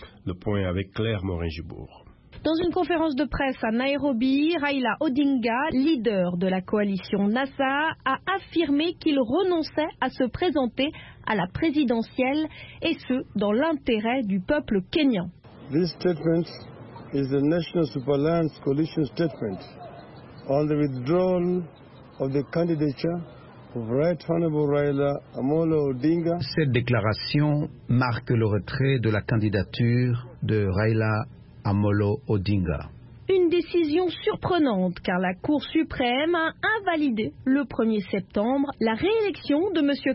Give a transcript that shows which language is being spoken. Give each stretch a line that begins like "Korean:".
French: Le point avec Claire Morin-Jubourg. Dans une conférence de presse à Nairobi, Raila Odinga, leader de la coalition NASA, a affirmé qu'il renonçait à se présenter à la présidentielle, et ce, dans l'intérêt du peuple kenyan.
English: This statement is the National Superalliance Coalition statement on the withdrawal of the candidature.
French: Cette déclaration marque le retrait de la candidature de Raila Amolo Odinga. Une décision surprenante car la Cour suprême a invalidé le 1er septembre la réélection de M.